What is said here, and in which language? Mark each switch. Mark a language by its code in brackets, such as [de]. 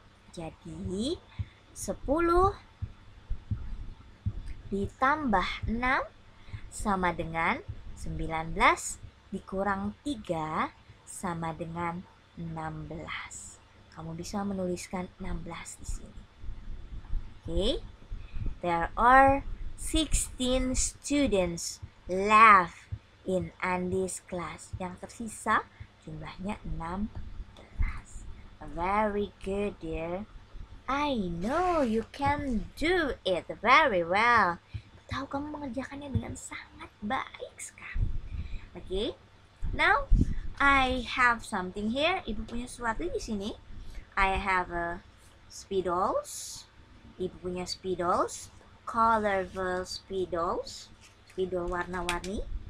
[id] Jadi 10 ditambah 6 sama dengan 19 dikurang 3 sama dengan 16. Kamu bisa menuliskan 16 di sini. [en] Okay, there are 16 students left in Andy's class. [id] Yang tersisa jumlahnya 16. [en] Very good, dear. I know you can do it very well. [id] Tahu kamu mengerjakannya dengan sangat baik sekali. [en] Okay, now I have something here. [id] Ibu punya sesuatu di sini. [en] I have a speedos. [id] Ibu punya speedos, colorful speedos, speedol warna-warni.